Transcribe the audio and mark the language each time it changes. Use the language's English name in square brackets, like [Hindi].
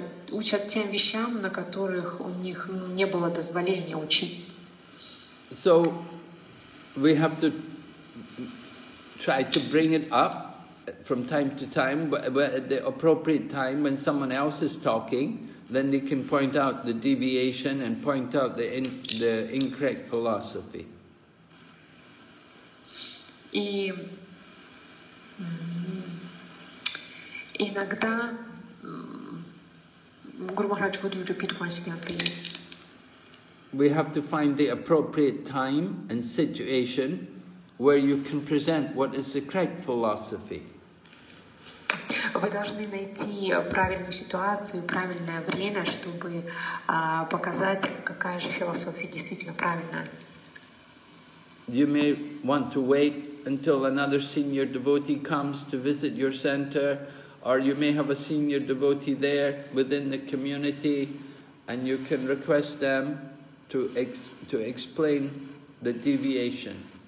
[Russian] Учат тем вещам, на которых у них не было дозволения учить. [English] So we have to try to bring it up from time to time, but at the appropriate time when someone else is talking, then they can point out the deviation and point out the incorrect philosophy. [Russian] И Иногда Гуру Махарадж будет репетировать [English] once again, please. We have to find the appropriate time and situation where you can present what is the correct philosophy. [Russian] Вы должны найти правильную ситуацию, правильное время, чтобы показать, какая же философия действительно правильная. [English] You may want to wait until another senior devotee comes to visit your center, or you may have a senior devotee there within the community, and you can request them to explain the deviation.